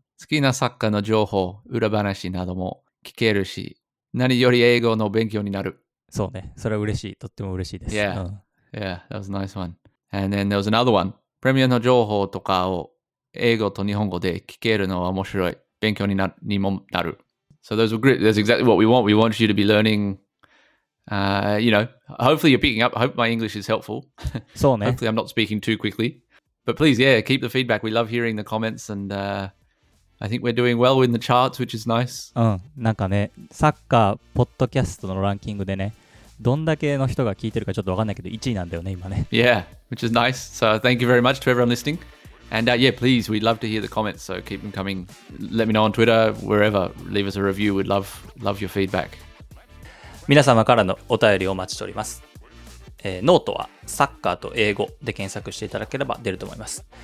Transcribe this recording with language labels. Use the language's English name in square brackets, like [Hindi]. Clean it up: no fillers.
[Japanese] 好きなサッカーの情報、裏話なども聞けるし、何より英語の勉強になる。そうね、それは嬉しい、とっても嬉しいです。 [English] Yeah,、yeah, that was a nice one. And then there was another one. [Japanese] プレミアの情報とかを英語と日本語で聞けるのは面白い、勉強にもなる。 [English] So those were great. That's exactly what we want. We want you to be learning, you know, hopefully you're picking up. I hope my English is helpful. [Japanese] そうね。 [English] Hopefully I'm not speaking too quickly. But please, yeah, keep the feedback. We love hearing the comments and I think we're doing well in the charts, which is nice. [Japanese] うん。なんかね、サッカーポッドキャストのランキングでね、どんだけの人が聞いてるかちょっとわかんないけど、1位なんだよね、今ね。 [English] Yeah, which is nice. So thank you very much to everyone listening. And yeah, please, we'd love to hear the comments, so keep them coming. Let me know on Twitter, wherever. Leave us a review. We'd love your feedback. [Japanese] 皆様からのお便りをお待ちしております。ノートはサッカーと英語で検索していただければ出ると思います。